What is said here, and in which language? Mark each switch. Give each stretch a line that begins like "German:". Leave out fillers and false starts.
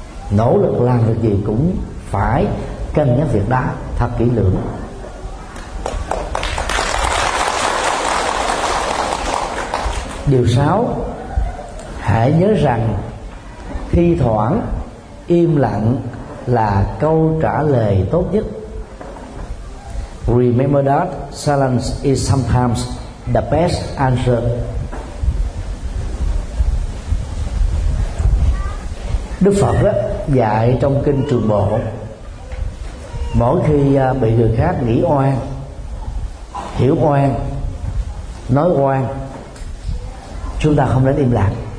Vietnamese: Nỗ lực làm được gì cũng phải cân nhắc việc đó thật kỹ lưỡng. Điều 6, hãy nhớ rằng thi thoảng im lặng là câu trả lời tốt nhất.
English: Remember that silence is sometimes the best answer.
Vietnamese: Đức Phật đó, dạy trong kinh Trường Bộ, mỗi khi bị người khác nghĩ oan, hiểu oan, nói oan, chúng ta không nên im lặng.